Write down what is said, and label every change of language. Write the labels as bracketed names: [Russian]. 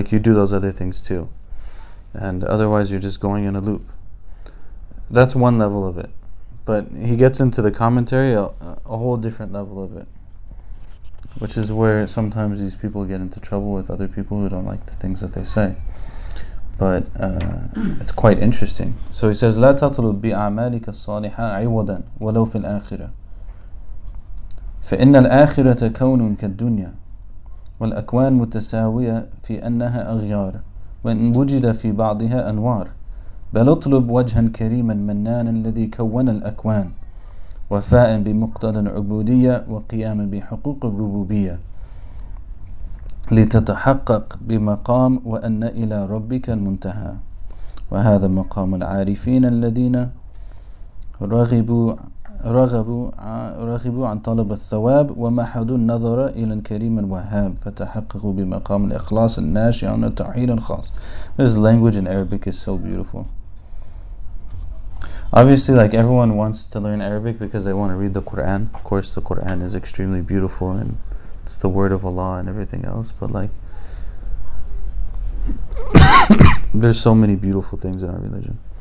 [English] Like, you do those other things too. And otherwise you're just going in a loop. That's one level of it. But he gets into the commentary a whole different level of it, which is where sometimes these people get into trouble with other people who don't like the things that they say. But it's quite interesting. So he says, [Arabic] لَا تَطْلُبْ بِأَعْمَالِكَ الصَّالِحَ عِوَضًا وَلَوْ فِي الْآخِرَةِ فَإِنَّ الْآخِرَةَ كَوْنٌ كَالدُّنْيَا وَالْأَكْوَانُ مُتَسَاوِيَةً فِي أَنَّهَا أَغْيَارٌ وَإِنْ وُجِدَ فِي بَعْضِهَا أَنْوَارٌ بَلْ اطْلُبْ وَجْهًا كَرِيمًا مَنَّانًا الَّذِي كَوَّنَ الْأَكْوَانَ وفاء بمقتضى العبودية وقيام بحقوق الربوبية لتتحقق بمقام وأن إلى ربك المنتهى وهذا مقام العارفين الذين رغبوا عن طلب الثواب ومحضوا النظر إلى الكريم الوهاب فتحققوا بمقام الإخلاص الناشئ عن التوحيد الخاص. [English] This language in Arabic is so beautiful. Obviously, like, everyone wants to learn Arabic because they want to read the Quran. Of course, the Quran is extremely beautiful and it's the word of Allah and everything else, but like, there's so many beautiful things in our religion.